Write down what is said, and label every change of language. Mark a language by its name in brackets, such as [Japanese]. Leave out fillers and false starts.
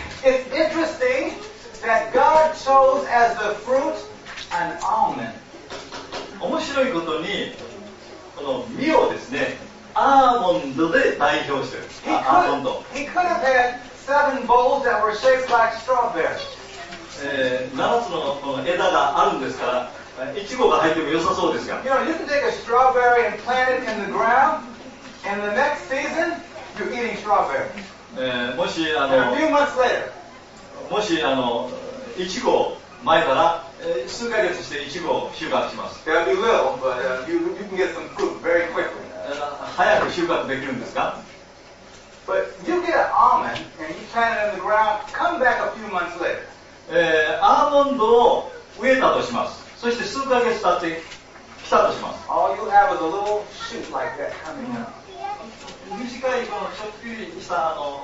[English] It's interesting that God chose as the fruit an almond. [Japanese] 面白いことに。この実をですね、アーモンドで代表してる。アーモンド。 [English] He could have had seven bowls that were shaped like strawberries. [Japanese] 7つのこの枝があるんですから、イチゴが入っても良さそうですが。 [English] You know, you can take a strawberry and plant it in the ground, and the next season, you're eating strawberry. [Japanese] もし、 [English] A few months later. [Japanese] もし、イチゴを撒いたら、数ヶ月してイチゴを収穫します。 [English] Yeah, you will, but you can get some fruit very quickly. [Japanese] 早く収穫できるんですか？ [English] But you get an almond and you plant it in the ground. Come back a few months later. [Japanese] アーモンドを植えたとします。そして数ヶ月経って来たとします。 [English] All you have is a little shoot like that coming out. [Japanese] 短いこのちょっぴりした